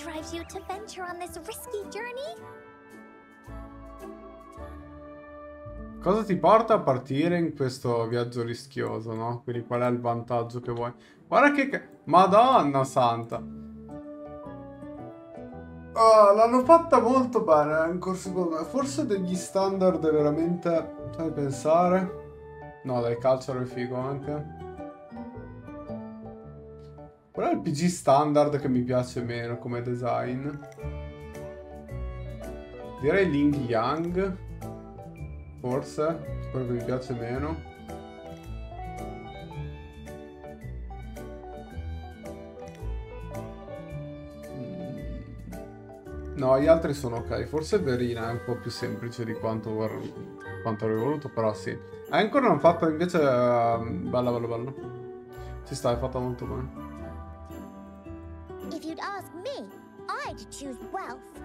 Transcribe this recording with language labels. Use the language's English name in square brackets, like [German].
[English] You to venture on this risky journey? [Italian] Cosa ti porta a partire in questo viaggio rischioso, no? Quindi qual è il vantaggio che vuoi? Guarda che... Madonna santa! Oh, l'hanno fatta molto bene, ancora secondo me. Forse degli standard veramente... Fai pensare? No, dai, calciare il figo anche. Qual è il PG standard che mi piace meno come design? Direi Ling Yang. Forse. Quello che mi piace meno. No, gli altri sono ok. Forse Verina è un po' più semplice di quanto avrei voluto, però sì. È ancora non fatta invece... bella, bella, bella. Ci sta, è fatta molto bene. [English] If you'd ask me, I'd choose wealth.